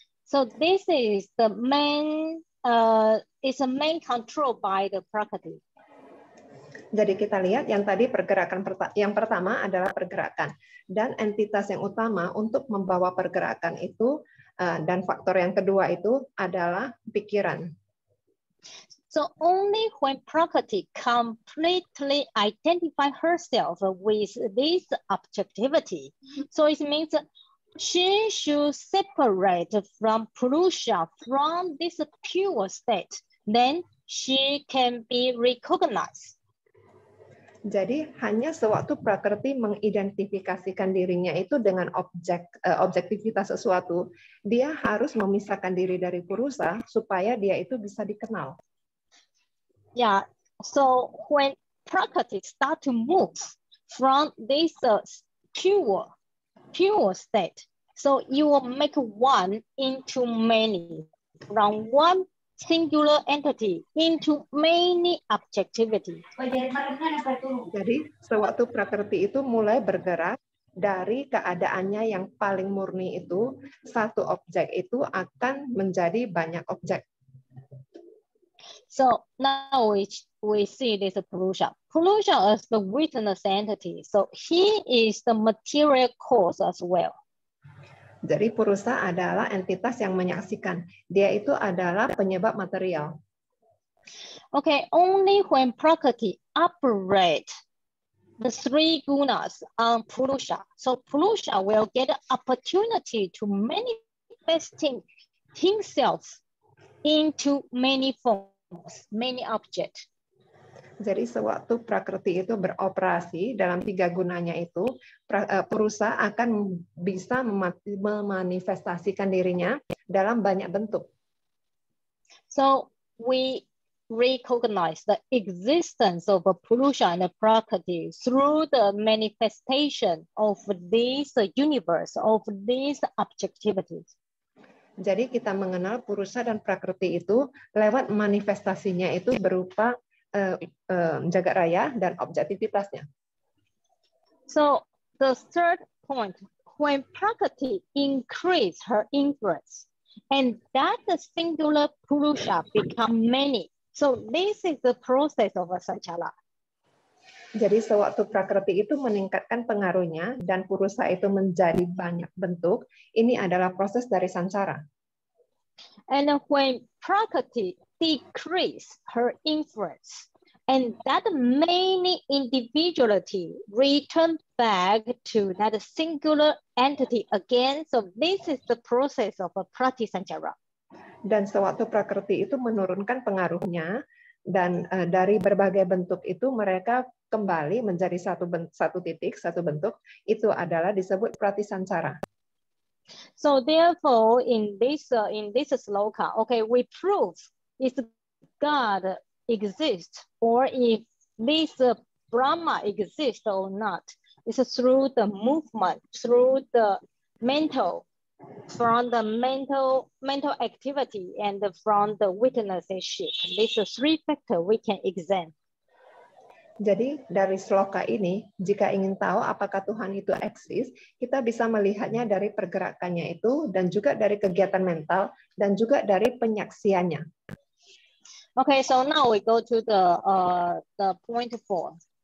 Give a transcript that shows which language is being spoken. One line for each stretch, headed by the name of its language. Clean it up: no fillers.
English: So this is the main is a main control by the prakriti.
Indonesian: Jadi kita lihat yang tadi pergerakan yang pertama adalah pergerakan, dan entitas yang utama untuk membawa pergerakan itu dan faktor yang kedua itu adalah pikiran.
English: So only when prakriti completely identify herself with this objectivity, so it means she should separate from purusha, from this pure state, then she can be recognized.
Indonesian: Jadi hanya sewaktu prakerti mengidentifikasikan dirinya itu dengan objektivitas sesuatu, dia harus memisahkan diri dari purusa supaya dia itu bisa dikenal.
English: Yeah, so when prakerti start to move from this pure state, so you will make one into many, from one singular entity into many objectivity.
Indonesian: Jadi sewaktu prakerti itu mulai bergerak dari keadaannya yang paling murni itu, satu objek itu akan menjadi banyak objek.
English: So now we see this purusha. Purusha is the witness entity. So he is the material cause as well.
Indonesian: Jadi purusa adalah entitas yang menyaksikan. Dia itu adalah penyebab material.
English: Okay, only when prakriti operate the three gunas on purusha, so purusha will get an opportunity to manifesting himself into many forms, many objects.
Indonesian: Jadi sewaktu prakriti itu beroperasi dalam tiga gunanya itu, purusa akan bisa memanifestasikan dirinya dalam banyak bentuk.
English: So we recognize the existence of a purusha and a prakriti through the manifestation of this universe, of these objectivities.
Indonesian: Jadi kita mengenal purusa dan prakriti itu lewat manifestasinya itu berupa jagat raya dan objektivitasnya.
English: So the third point, when prakriti increase her influence, and that the singular purusha become many. So this is the process of sanchala.
Indonesian: Jadi sewaktu prakriti itu meningkatkan pengaruhnya dan purusa itu menjadi banyak bentuk, ini adalah proses dari sanchara.
English: And when prakriti decrease her influence, and that many individuality return back to that singular entity again. So this is the process of a pratisanchara.
Indonesian: Dan sewaktu prakriti itu menurunkan pengaruhnya, dan dari berbagai bentuk itu mereka kembali menjadi satu bentuk, itu adalah disebut pratisanchara.
English: So therefore, in this sloka, okay, we prove is God exist or if this Brahma exist or not. It's through the movement, through the mental, from the mental activity and from the witnessing. These are three factors we can examine.
Indonesian: Jadi dari sloka ini, jika ingin tahu apakah Tuhan itu eksis, kita bisa melihatnya dari pergerakannya itu dan juga dari kegiatan mental dan juga dari penyaksiannya.
English: Okay, so now we go to the point four.